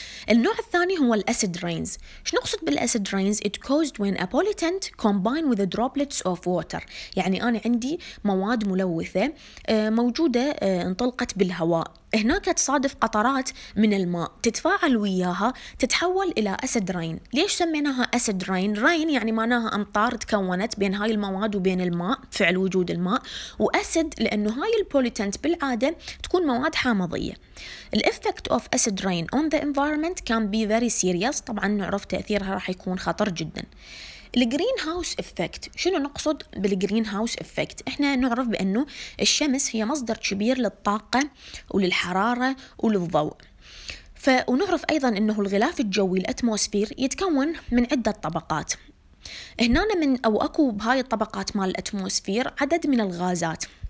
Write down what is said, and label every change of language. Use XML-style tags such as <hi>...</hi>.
<ar>النوع الثاني هو الأسيد رينز. شنو نقصد بالأسيد رينز؟</ar> <en>It caused when a pollutant combined with the droplets of water،</en> <ar>يعني أنا عندي مواد ملوثة موجودة انطلقت بالهواء، هناك تصادف قطرات من الماء تتفاعل وياها تتحول إلى أسيد رين. ليش سميناها أسيد رين؟ رين يعني معناها أمطار تكونت بين هاي المواد وبين الماء، فعل وجود الماء، وأسيد لأنه هاي البوليتنت بالعادة تكون مواد حامضية.</ar> <en>The effect of acid rain on the environment can be very serious،</en> <ar>طبعا نعرف تأثيرها راح يكون خطر جدا. الجرين هاوس افكت، شنو نقصد بالجرين هاوس افكت؟ احنا نعرف بانه الشمس هي مصدر كبير للطاقه وللحراره وللضوء، ونعرف ايضا انه الغلاف الجوي الاتموسفير يتكون من عده طبقات، هنا من او اكو بهاي الطبقات مال الاتموسفير عدد من الغازات.</ar>